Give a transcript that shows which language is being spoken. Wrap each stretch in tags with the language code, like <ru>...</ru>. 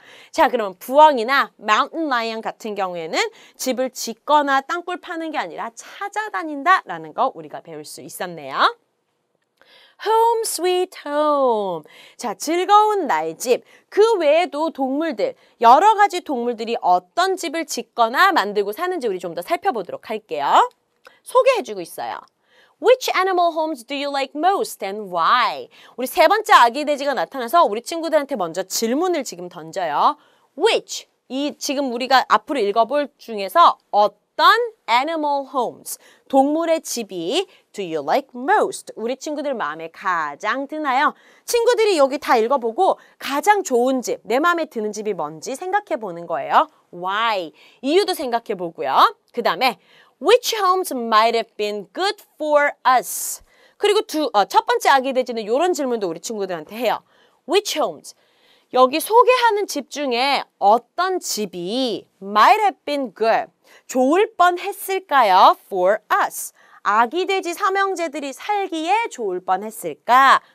<ko>자, 그러면 부엉이나 mountain lion 같은 경우에는 집을 짓거나 땅굴 파는 게 아니라 찾아다닌다라는 거 우리가 배울 수 있었네요.</ko> <en>Home sweet home.</en> <ko>자, 즐거운 나의 집. 그 외에도 동물들, 여러 가지 동물들이 어떤 집을 짓거나 만들고 사는지 우리 좀 더 살펴보도록 할게요. 소개해주고 있어요.</ko> <en>Which animal homes do you like most and why?</en> <ko>우리 세 번째 아기 돼지가 나타나서 우리 친구들한테 먼저 질문을 지금 던져요. Which? 이 지금 우리가 앞으로 읽어볼 중에서 어떤 animal homes, 동물의 집이</ko> <en>do you like most?</en> <ko>우리 친구들 마음에 가장 드나요? 친구들이 여기 다 읽어보고 가장 좋은 집, 내 마음에 드는 집이 뭔지 생각해보는 거예요. Why? 이유도 생각해보고요. 그 다음에</ko> <en>which homes might have been good for us?</en> <ko>그리고 첫 번째 아기 돼지는 이런 질문도 우리 친구들한테 해요. Which homes? 여기 소개하는 집 중에 어떤 집이</ko> <en>might have been good,</en> <ko>좋을 뻔했을까요?</ko> <en>For us.</en> <ko>아기 돼지 삼형제들이 살기에 좋을 뻔했을까?</ko>